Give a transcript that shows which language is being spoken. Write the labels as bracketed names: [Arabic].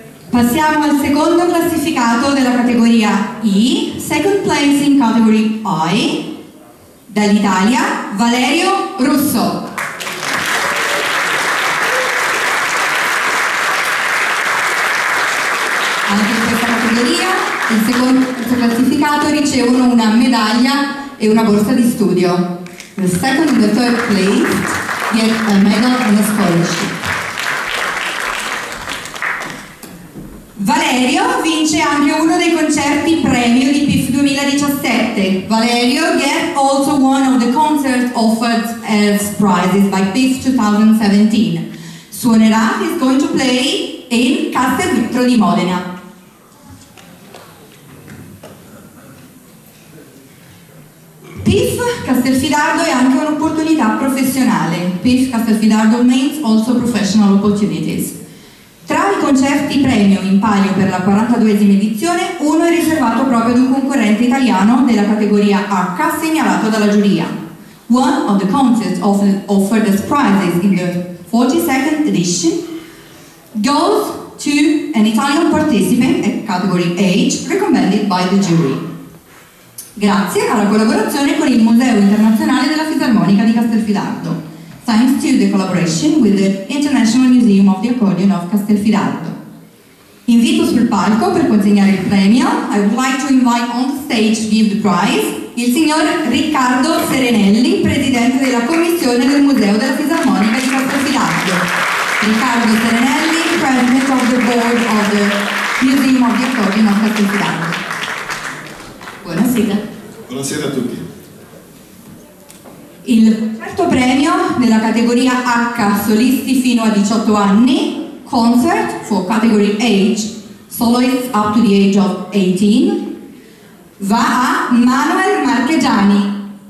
[Italian] Passiamo al secondo classificato della categoria I, [English] second place in category I, [Italian] dall'Italia, Valerio Russo. Anche in questa categoria il secondo classificato ricevono una medaglia e una borsa di studio. [English] The second and the third place get a medal and a scholarship. [Italian] Valerio vince anche uno dei concerti premio di PIF 2017. [English] Valerio get also one of the concerts offered as prizes by PIF 2017. [Italian] Suonerà, [English] is going to play in Castelvetro di Modena. [Italian] PIF Castelfidardo è anche un'opportunità professionale. [English] PIF Castelfidardo means also professional opportunities. [Italian] Tra i concerti premio in palio per la 42esima edizione, uno è riservato proprio ad un concorrente italiano della categoria H, segnalato dalla giuria. [English] One of the concerts offered as prizes in the 42nd edition goes to an Italian participant at category H, recommended by the jury. [Italian] Grazie alla collaborazione con il Museo Internazionale della Fisarmonica di Castelfidardo. [English] Thanks to the collaboration with the International Museum of the Accordion of Castelfidardo. [Italian] Invito sul palco per consegnare il premio. [English] I would like to invite on stage to give the prize [Italian] il signor Riccardo Serenelli, presidente della commissione del Museo della Fisarmonica di Castelfidardo. [English] Riccardo Serenelli, president of the board of the Museum of the Accordion of Castelfidardo. [Italian] Buonasera. Buonasera a tutti. Il quarto premio della categoria H, solisti fino a 18 anni, [English] concert for category age, soloists up to the age of 18, [Italian] va a Manuel Marchegiani.